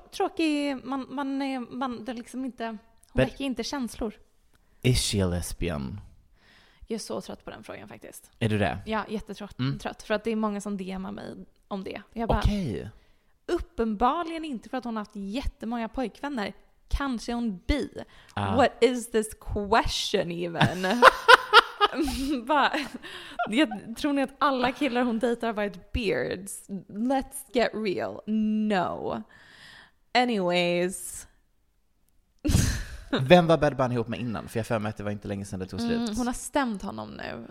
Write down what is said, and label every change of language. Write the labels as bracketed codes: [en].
[sv] Tråkig, man det liksom inte, hon väcker inte känslor. [en] Is she a lesbian? [sv] Jag är så trött på den frågan faktiskt. Är du det? Ja, jättetrött. Mm. Trött, för att det är många som DMar mig om det. Okej. Uppenbarligen inte, för att hon har haft jättemånga pojkvänner. Kanske hon bi. Ah. [en] What is this question even? [sv] Jag tror ni att alla killar hon dejtar har varit beards? [en] Let's get real. No. Anyways. [sv] Vem var Bad Bunny ihop med innan? För jag för mig att det var inte länge sedan det tog slut. Hon har stämt honom nu.